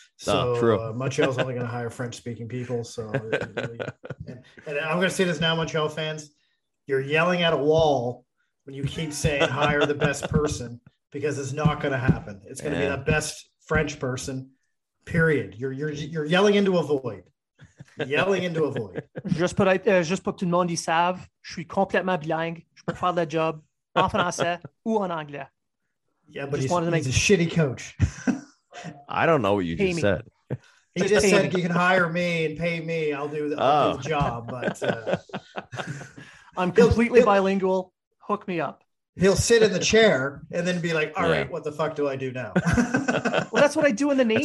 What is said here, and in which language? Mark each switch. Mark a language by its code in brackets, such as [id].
[en] So Montreal's only going to hire French-speaking people. So, and I'm going to say this now, Montreal fans: you're yelling at a wall when you keep saying hire the best person, because it's not going to happen. It's going to be the best French person. Period. You're yelling into a void. Yelling into a void. [fr] Just pour tout le monde y savent, je suis complètement bilingue. Je peux faire le job en français ou en anglais. [en] Yeah, but he's a shitty coach. I don't know what you just said. He just said you can hire me and pay me. I'll do the job. But I'm completely bilingual. Hook me up. He'll sit in the chair and then be like, all right, what the fuck do I do now? Well, that's what I do in the Navy.